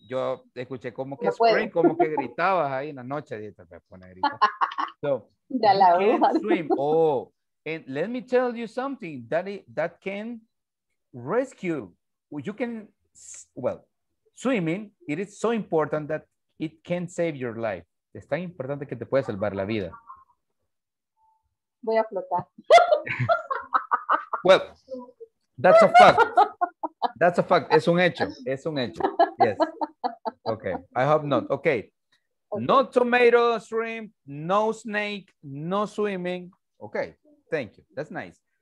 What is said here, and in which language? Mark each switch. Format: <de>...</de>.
<es>Yo escuché como que scream, como que gritabas ahí en la noche. Y te pone a gritar. So,</es> <en>you can't swim. Oh, and let me tell you something. That can rescue, you can, well, swimming, it is so important that it can save your life.</en> <es>Es tan importante que te puede salvar la vida. Voy a flotar.</es> <en>Well, that's a fact. That's a fact.</en> <es>Es un hecho. Es un hecho.</es> <en>Yes. Okay. I hope not. Okay. No tomato, shrimp, no snake, no swimming. Okay. Thank you. That's nice.</en>